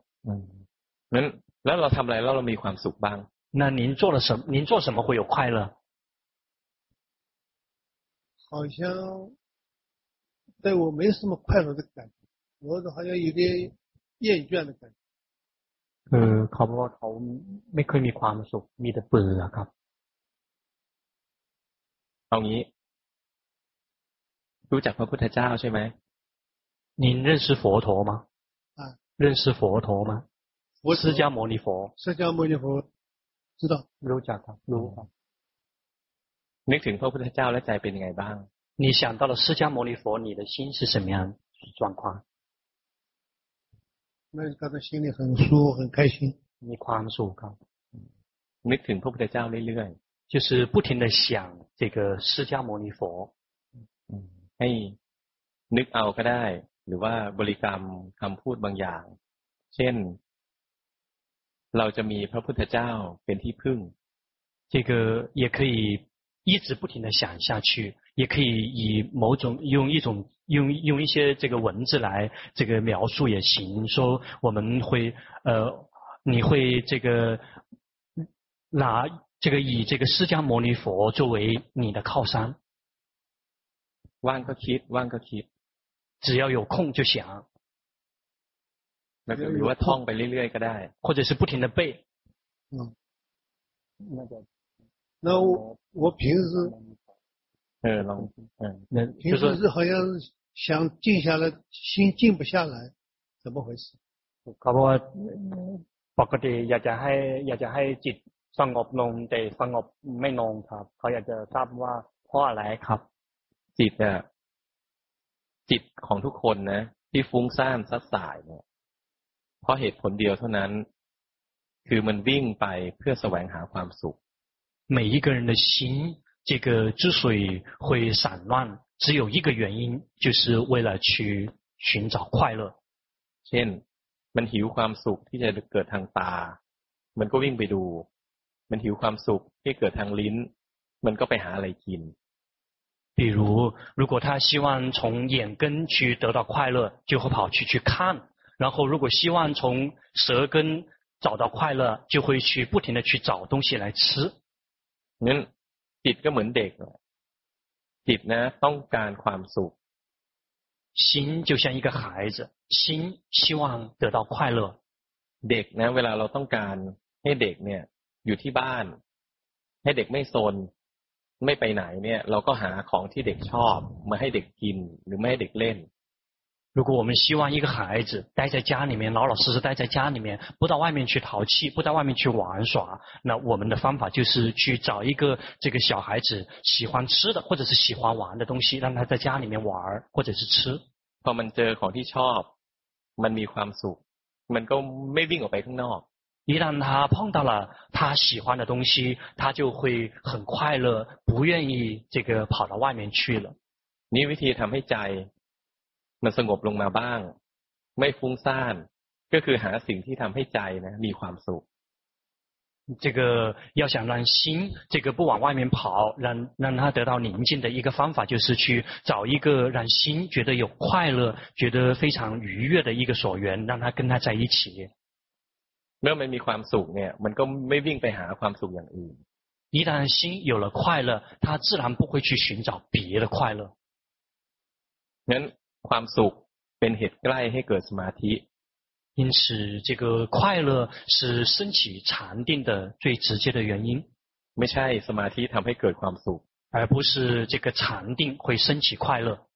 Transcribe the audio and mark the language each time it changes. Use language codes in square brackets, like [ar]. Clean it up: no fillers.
[zh] 那我们来了我们有 [th] ความสุข [zh] 吧那您做了什么您做什么会有快乐好像对我没什么快乐的感觉我好像有点厌倦的感觉 [th] คือเขาบอกว่าเขาไม่เคยมีความสุขมีแต่เบื่อครับ เอางี้รู้จักพระพุทธเจ้าใช่ไหม [zh] 您认识佛陀吗认识佛陀吗佛释迦牟尼佛释迦牟尼佛知道 [th] รู้จักครับรู้ครับ นึกถึงพระพุทธเจ้าแล้วใจเป็นยังไงบ้าง [zh] 你想到了释迦牟尼佛你的心是什么样状况那感到心里很舒服很开心 [th] มีความสุขครับ นึกถึงพระพุทธเจ้าเรื่อย [zh] ๆ就是不停的想这个释迦牟尼佛 [th] ให้นึกเอาก็ได้ หรือว่าบริกรรมคำพูดบางอย่างเช่นเราจะมีพระพุทธเจ้าเป็นที่พึ่ง [zh] 这个也可以一直不停地想下去也可以以某种用一种用用一些这个文字来这个描述也行说我们会你会这个拿这个以这个释迦牟尼佛作为你的靠山忘个题忘个题只要有空就想那个如果痛被裂裂个带或者是不停的背那我平时平时是好像想静下来心静不下来怎么回事 [th] เขาบอกว่าปกติอยากจะให้อยากจะให้จิตสงบลงแต่สงบไม่ลงครับเขาอยากจะทราบว่าเพราะอะไรครับ จิตเนี่ยจิตของทุกคนนะที่ฟุ้งซ่านซัดสายเนี่ยเพราะเหตุผลเดียวเท่านั้นคือมันวิ่งไปเพื่อแสวงหาความสุข [zh] 每一个人的心这个之所以会散乱只有一个原因就是为了去寻找快乐 [th] เช่นมันหิวความสุขที่จะเกิดทางตามันก็วิ่งไปดูมันหิวความสุขที่เกิดทางลิ้นมันก็ไปหาอะไรกิน [zh] 比如如果他希望从眼根去得到快乐就会跑去看然后如果希望从舌根找到快乐就会去不停的去找东西来吃 [th] นั้นจิตก็เหมือนเด็กจิตนะต้องการความสุข [zh] 心就像一个孩子心希望得到快乐 [th] เด็กนะเวลาเราต้องการให้เด็กเนี่ยอยู่ที่บ้านให้เด็กไม่ซนไม่ไปไหนเนี่ยเราก็หาของที่เด็กชอบมาให้เด็กกินหรือไม่ให้เด็กเล่น [zh] 如果我们希望一个孩子待在家里面老老实实待在家里面不到外面去淘气不到外面去玩耍那我们的方法就是去找一个这个小孩子喜欢吃的或者是喜欢玩的东西让他在家里面玩或者是吃 [th] พอมันเจอของที่ชอบมันมีความสุขมันก็ไม่วิ่งออกไปข้างนอก [zh] 一旦他碰到了他喜欢的东西他就会很快乐不愿意这个跑到外面去了 [th] นี่วิธีทำให้ใจมันสงบลงมาบ้างไม่ฟุ้งซ่านก็คือหาสิ่งที่ทำให้ใจนะมีความสุข [zh] 这个要想让心这个不往外面跑让它得到宁静的一个方法就是去找一个让心觉得有快乐觉得非常愉悦的一个所缘让它跟它在一起 [th] เมื่อมันมีความสุขเนี่ยมันก็ไม่วิ่งไปหาความสุขอย่างอื่น [zh] 一旦心有了快乐它自然不会去寻找别的快乐 [th] งั้นความสุขเป็นเหตุใกล้ให้เกิดสมาธิ [zh] 因此这个快乐是升起禅定的最直接的原因 [th] ไม่ใช่สมาธิทำให้เกิดความสุข [zh] 而不是这个禅定会升起快乐